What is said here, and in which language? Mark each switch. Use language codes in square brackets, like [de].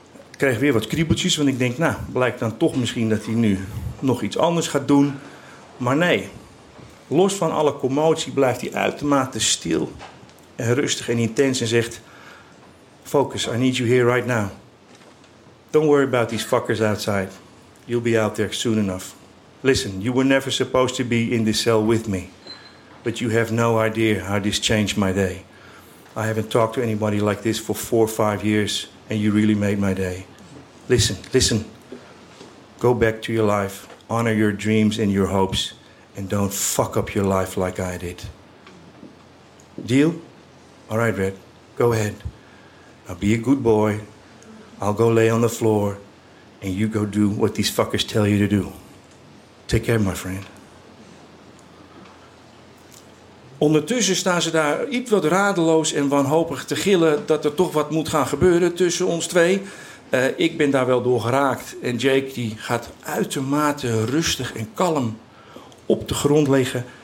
[nl] Ik krijg weer wat kriebeltjes, want ik denk, nou, blijkt dan toch misschien dat hij nu nog iets anders gaat doen. Maar nee, los van alle commotie blijft hij uitermate stil en rustig en intens en zegt, [en] focus, I need you here right now. Don't worry about these fuckers outside. You'll be out there soon enough. Listen, you were never supposed to be in this cell with me. But you have no idea how this changed my day. I haven't talked to anybody like this for 4 or 5 years. And you really made my day. Listen, listen. Go back to your life. Honor your dreams and your hopes. And don't fuck up your life like I did. Deal? All right, Red. Go ahead. Now be a good boy. I'll go lay on the floor and you go do what these fuckers tell you to do. Take care, my friend. [nl] Ondertussen staan ze daar iets wat radeloos en wanhopig te gillen dat er toch wat moet gaan gebeuren tussen ons twee. Ik ben daar wel door geraakt en Jake die gaat uitermate rustig en kalm op de grond liggen.